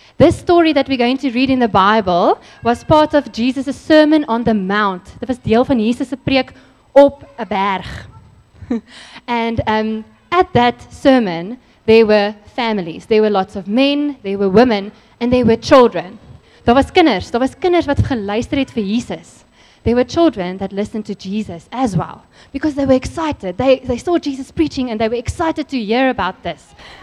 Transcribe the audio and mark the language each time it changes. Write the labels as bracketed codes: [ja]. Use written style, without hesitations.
[en] This story that we're going to read in the Bible was part of Jesus' Sermon on the Mount. [af] Dit was deel van Jesus' preek op 'n berg. [en] And at that sermon, there were families. There were lots of men, there were women, and there were children. [af] Daar was kinders. Daar was kinders wat geluister het vir Jesus. [en] They were children that listened to Jesus as well because they were excited. They saw Jesus preaching and they were excited to hear about this.